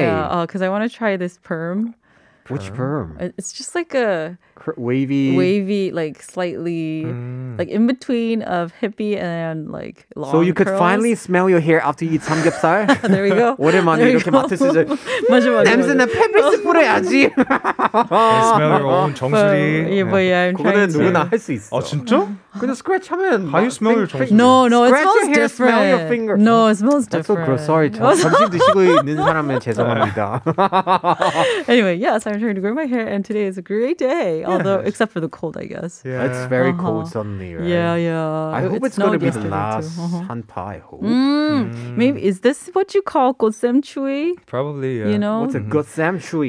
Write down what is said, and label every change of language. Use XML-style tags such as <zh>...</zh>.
<en>Yeah, because I want to try this perm. Which perm? It's just like a wavy. Wavy, like slightly, like in between of hippie and like long. So you curls. Could finally smell your hair after you eat 삼겹살? There we go.</en> <ko>오랜만에 이렇게 맡을 수 있어. 마지막. 냄새는 페미스 뿌려야지.</ko> <en>Smell your own 정수리. Yeah, but yeah, I'm trying.</en> <ko>그거는 누구나 할 수 있어. 아, 진짜? 근데 scratch 하면.</ko> <en>How you smell your 정수리? No, no, it smells your hair, different. Smell your finger. No, it smells different. That's so gross. Sorry.</en> <ko>점심 드시고 있는 사람은 죄송합니다.</ko> <en>Anyway, yes, I'm trying to grow my hair, and today is a great day. Although, yeah. Except for the cold, I guess. Yeah. It's very cold suddenly, right? Yeah, yeah. I hope it's going to be the last hanpa, I hope. Maybe, is this what you call gosem chui? Probably, yeah. You know? What's a gosem chui?</en>